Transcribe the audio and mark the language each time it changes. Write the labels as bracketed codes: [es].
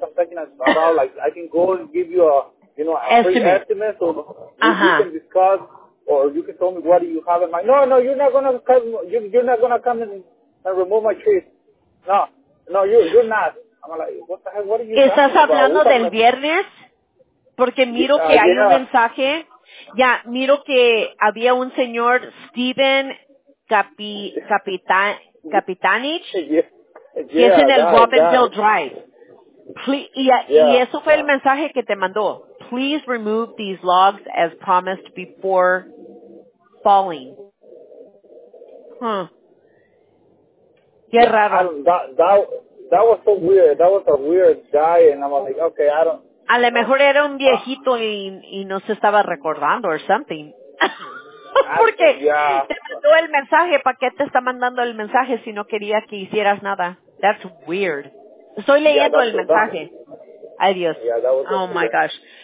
[en] I'm talking about, like, I can go and give you a, you know, a free estimate. So you can discuss, or you can tell me what you have in mind. No, you're not going to come and remove my trees. No, you're not. I'm like, what the heck, what are you talking about? [es] ¿Estás hablando del viernes? Porque miro que hay un mensaje. Ya, miro que había un señor, Steven Capitanich, que es en el Robbinsdale Drive. Y eso fue el mensaje que te mandó. [en] Please remove these logs as promised before falling. [es] Qué raro. [en] That was so weird. That was a weird guy, and I'm like, okay, I don't... [es] A lo mejor era un viejito y no se estaba recordando [en] or something. [es] Porque te mandó el mensaje. ¿Para qué te está mandando el mensaje si no quería que hicieras nada? [en] That's weird. [es] Estoy leyendo el mensaje. Ay, Dios. [en] Oh, my gosh.